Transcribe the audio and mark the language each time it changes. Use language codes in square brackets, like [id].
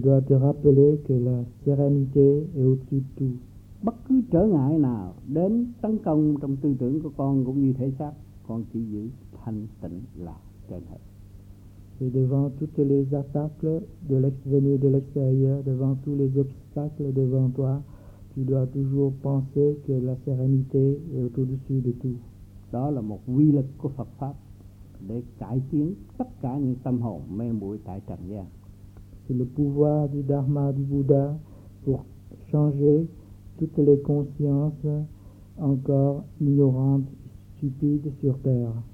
[fr] dois te rappeler que la sérénité est au-dessus de tout. [vi] bất cứ trở ngại nào đến tấn công trong tư tưởng của con cũng như thể xác, con chỉ giữ thanh tịnh là trên hết. [fr] Et devant toutes les attaques de l'extérieur, de l'extérieur, devant tous les obstacles devant toi, tu dois toujours penser que la sérénité est au-dessus de tout. [vi] Đó là một quy luật của Phật pháp để cải tiến tất cả những tâm hồn mê muội tại trần gian. [fr] C'est le pouvoir du Dharma du Bouddha pour changer toutes les consciences encore ignorantes, stupides sur terre.